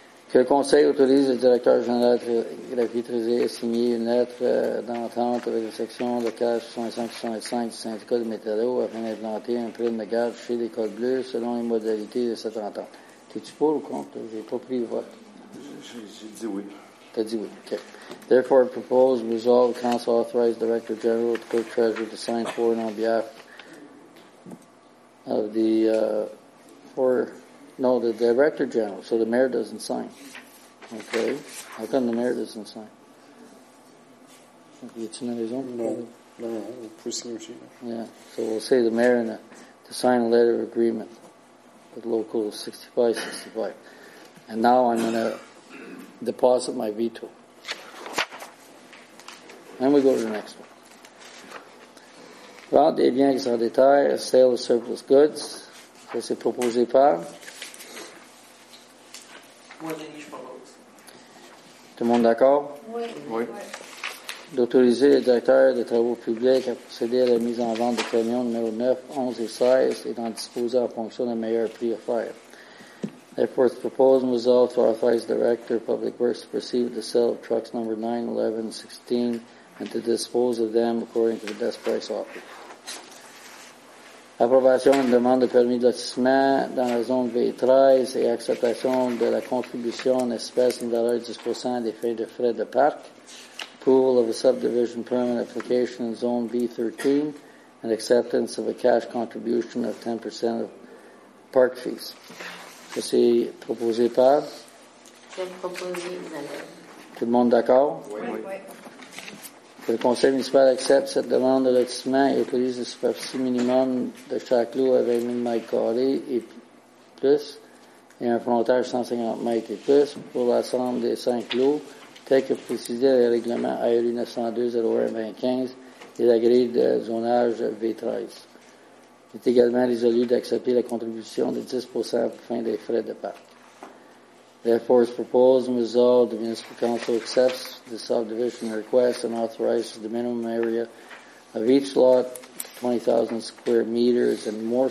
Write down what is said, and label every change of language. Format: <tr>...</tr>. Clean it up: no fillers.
<fr>Que le conseil autorise le directeur général de la vie trésorière à signer une lettre d'entente avec la section locale 65-65 du syndicat de Métallo afin d'implanter un prêt de garde chez l'école bleue selon les modalités de cette entente. T'es-tu pour ou contre? J'ai pas pris le vote. J'ai dit oui. T'as dit oui. Okay.</fr> <en>Therefore, propose, resolve, council authorized director general, to clerk treasurer to sign for and on behalf of the, No, the director general, so the mayor doesn't sign. Okay. How come the mayor doesn't sign?</en> <fr>Y a-t-il une raison? Non, on peut signer aussi.</fr> <en>Yeah, so we'll say the mayor to sign a letter of agreement with Local 6565. And now I'm going to deposit my veto. And we go to the next one.</en> <fr>Vente des biens sans détail,</fr> <en>sale of surplus goods.</en> <fr>Ça, c'est proposé par... Tout le monde d'accord? Oui. D'autoriser le directeur des travaux publics à procéder à la mise en vente de camions numéro 9, 11 et 16 et d'en disposer en fonction d'un meilleur prix offert.</fr> <en>Therefore, it's proposed and resolved to authorize the director of public works to proceed with the sale of trucks number 9, 11, 16 and to dispose of them according to the best price offered.</en> <fr>Approbation d'une demande de permis de lotissement dans la zone V13 et acceptation de la contribution en espèces d'une valeur de 10% des frais de parc.</fr> <en>Approval of a subdivision permit application in zone V13 and acceptance of a cash contribution of 10% of park fees.</en> <fr>Ça, c'est proposé par? Je propose. Tout le monde d'accord? Oui. Que le conseil municipal accepte cette demande de lotissement et autorise la superficie minimum de chaque lot à 20 000 mètres carrés et plus, et un frontage de 150 mètres et plus pour l'ensemble des 5 lots, tel que précisé le règlement ARU 902-01-2015 et la grille de zonage V13. Il est également résolu d'accepter la contribution de 10% afin des frais de parc.</fr> <en>Therefore, it's proposed and resolved the Municipal Council accepts the subdivision request and authorizes the minimum area of each lot, 20,000 square meters and more.</en>